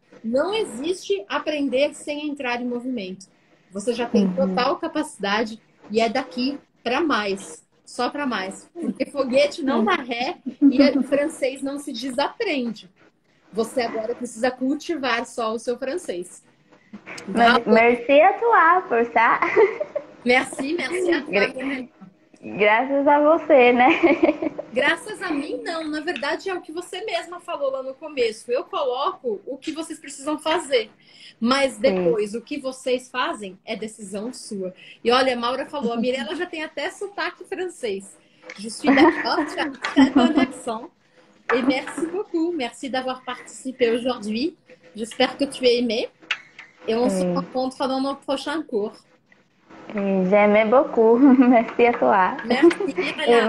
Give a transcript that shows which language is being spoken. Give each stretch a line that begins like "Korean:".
Portuguese: Não existe aprender sem entrar em movimento. Você já tem total capacidade e é daqui para mais, só para mais. Porque foguete não dá ré e francês não se desaprende. Você agora precisa cultivar só o seu francês.
French: Bravo! Merci à toi
Portuguese: por estar.
French: Merci, merci à toi, Daniel.
Portuguese: Graças a você, né? Graças a mim, não. Na verdade, é o que você mesma falou lá no começo. Eu coloco o que vocês precisam fazer. Mas depois, o que vocês fazem é decisão sua. E olha, a Maura falou, a Mirella já tem até sotaque francês.
French: Je suis d'accord, tu as très bon accent. Et merci beaucoup. Merci d'avoir participé aujourd'hui. J'espère que tu as aimé. Et on se rencontre dans notre prochain cours. J'aime beaucoup, merci à toi. Merci, Et Mirella.